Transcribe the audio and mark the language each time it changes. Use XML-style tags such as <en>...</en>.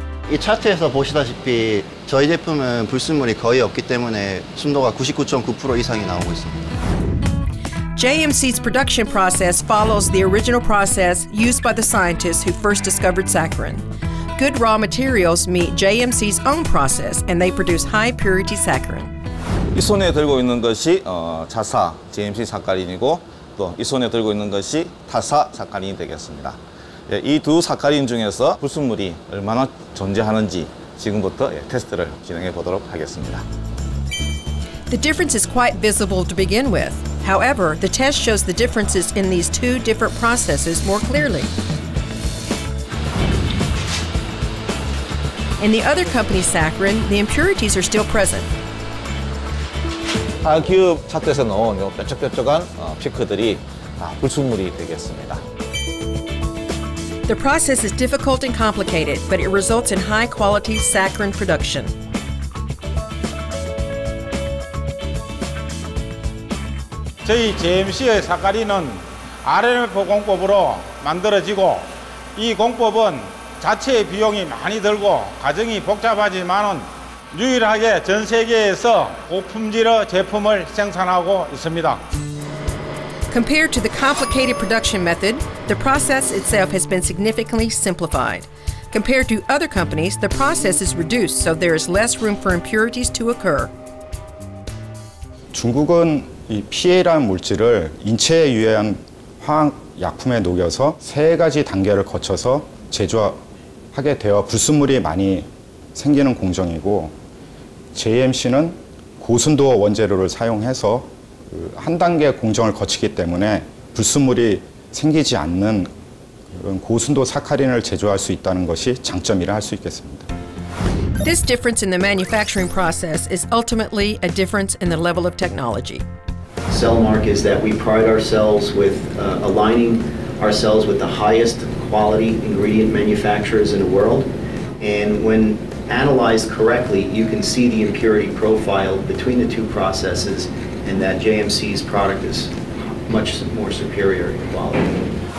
<ko>이 차트에서 보시다시피 저희 제품은 불순물이 거의 없기 때문에 순도가 99.9% 이상이 나오고 있습니다.</ko> <en>JMC's production process follows the original process used by the scientists who first discovered saccharin. Good raw materials meet JMC's own process and they produce high purity saccharin.</en> <ko>이 손에 들고 있는 것이 자사 JMC 사카린이고 또 이 손에 들고 있는 것이 타사 사카린이 되겠습니다. 이 두 사카린 중에서 불순물이 얼마나 존재하는지 지금부터 테스트를 진행해 보도록 하겠습니다.</ko> <en>The difference is quite visible to begin with. However, the test shows the differences in these two different processes more clearly. In the other company's saccharin, the impurities are still present.</en> <ko>4규업 차트에서 넣은 뾰족뾰족한 피크들이 다 불순물이 되겠습니다.</ko> <en>The process is difficult and complicated, but it results in high quality saccharin production.</en> <ko>JMC의 사카린은 RMF 공법으로 만들어지고 이 공법은 자체의 비용이 많이 들고 과정이 복잡하지만은 유일하게 전 세계에서 고품질의 제품을 생산하고 있습니다.</ko> <en>Compared to the complicated production method, the process itself has been significantly simplified. Compared to other companies, the process is reduced, so there is less room for impurities to occur.</en> <ko>중국은 이 PA라는 물질을 인체에 유해한 화학 약품에 녹여서 세 가지 단계를 거쳐서 제조하게 되어 불순물이 많이 생기는 공정이고 JMC는 고순도 원재료를 사용해서 한 단계 공정을 거치기 때문에 불순물이 생기지 않는 그런 고순도 사카린을 제조할 수 있다는 것이 장점이라 할 수 있겠습니다.</ko> <en>This difference in the manufacturing process is ultimately a difference in the level of technology. Cellmark is that we pride ourselves with aligning ourselves with the highest quality ingredient manufacturers in the world. And when analyzed correctly, you can see the impurity profile between the two processes and that JMC's product is much more superior in quality.</en>